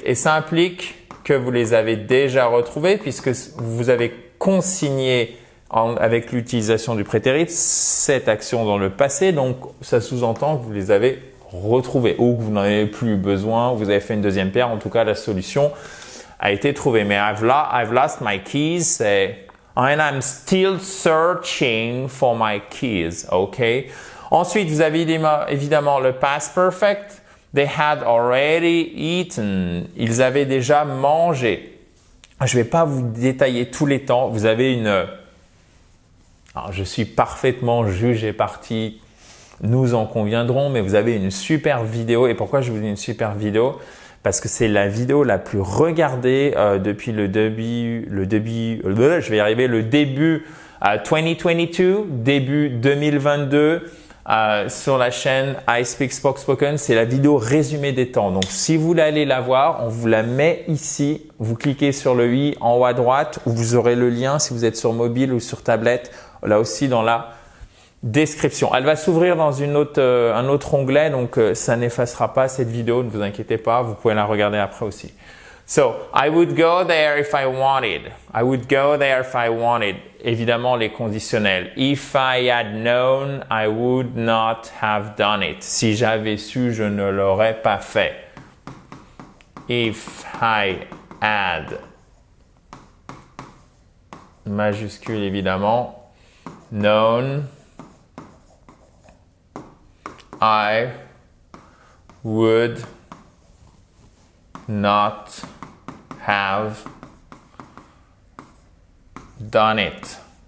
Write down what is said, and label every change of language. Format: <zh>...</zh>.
<fr>Et ça implique que vous les avez déjà retrouvées puisque vous avez consigné avec l'utilisation du prétérite cette action dans le passé. Donc, ça sous-entend que vous les avez retrouvées ou que vous n'en avez plus besoin, vous avez fait une deuxième paire. En tout cas, la solution a été trouvée.</fr> <en>Mais I've lost my keys, c'est and I'm still searching for my keys, ok?</en> <fr>Ensuite, vous avez évidemment le past perfect.</fr> <en>They had already eaten.</en> <fr>Ils avaient déjà mangé. Je ne vais pas vous détailler tous les temps. Vous avez une... Alors, je suis parfaitement juge et parti. Nous en conviendrons, mais vous avez une super vidéo. Et pourquoi je vous dis une super vidéo? Parce que c'est la vidéo la plus regardée depuis début 2022 sur la chaîne I Speak Spoken. C'est la vidéo résumée des temps. Donc, si vous voulez aller la voir, on vous la met ici. Vous cliquez sur le i en haut à droite où vous aurez le lien si vous êtes sur mobile ou sur tablette. Là aussi dans la description. Elle va s'ouvrir dans un autre onglet, donc ça n'effacera pas cette vidéo, ne vous inquiétez pas, vous pouvez la regarder après aussi.</fr> <en>So, I would go there if I wanted. I would go there if I wanted.</en> <fr>Évidemment, les conditionnels.</fr> <en>If I had known, I would not have done it.</en> <fr>Si j'avais su, je ne l'aurais pas fait.</fr> <en>If I had. Majuscule, évidemment. Known, I would not have done it.</en>